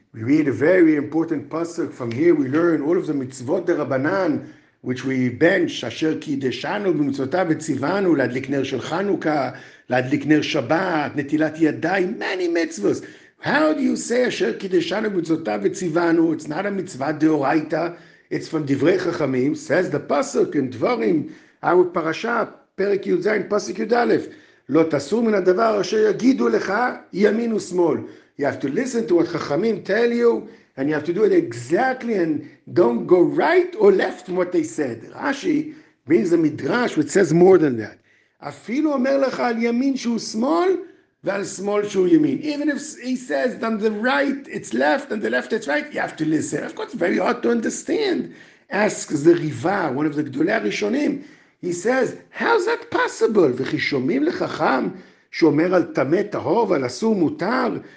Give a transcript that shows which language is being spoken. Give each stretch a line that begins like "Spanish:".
English: We read a very important pasuk. From here we learn all of the mitzvot de Rabbanan, which we bench, אשר קידשנו במצוותיו וציוונו, להדליק נר של חנוכה, להדליק נר שבת, נטילת ידיים, many mitzvot. How do you say, אשר קידשנו במצוותיו וציוונו? It's not a mitzvah de oraita, it's from דברי חכמים, says the pasuk in דברים, our parasha.
Hebrew: פרק י"ז, פסוק י"א, לא תסור מן הדבר אשר יגידו לך ימין ושמאל.
English: You have to listen to what חכמים tell you, and you have to do it exactly, and don't go right or left from what they said. רש"י brings a midrash which says more than that.
Hebrew: אפילו אומר לך על ימין שהוא שמאל, ועל שמאל שהוא ימין.
English: Even if he says on the right it's left, and the left it's right, you have to listen. Of course, very hard to understand. Asks the Riva, one of the Gdolei Rishonim, he says, how's that possible?
Hebrew: וכי שומעים לחכם שאומר על תמי טהור ועל אסור מותר?